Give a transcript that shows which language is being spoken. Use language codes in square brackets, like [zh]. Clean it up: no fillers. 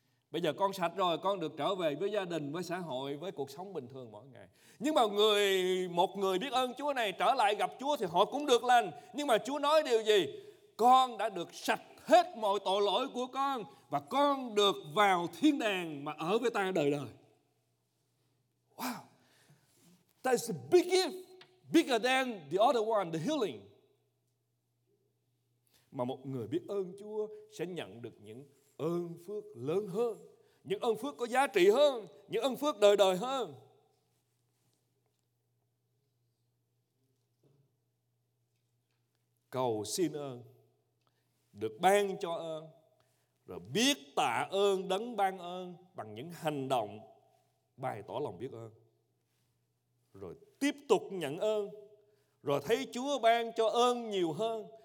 [vi] Bây giờ con sạch rồi, con được trở về với gia đình, với xã hội, với cuộc sống bình thường mỗi ngày. Nhưng mà một người biết ơn Chúa này trở lại gặp Chúa thì họ cũng được lành. Nhưng mà Chúa nói điều gì? Con đã được sạch hết mọi tội lỗi của con và con được vào thiên đàng mà ở với ta đời đời. [en] Wow! That's a big gift, bigger than the other one, the healing. [vi] Mà một người biết ơn Chúa sẽ nhận được những ơn phước lớn hơn, những ơn phước có giá trị hơn, những ơn phước đời đời hơn. Cầu xin ơn, được ban cho ơn, rồi biết tạ ơn đấng ban ơn bằng những hành động bày tỏ lòng biết ơn, rồi tiếp tục nhận ơn, rồi thấy Chúa ban cho ơn nhiều hơn.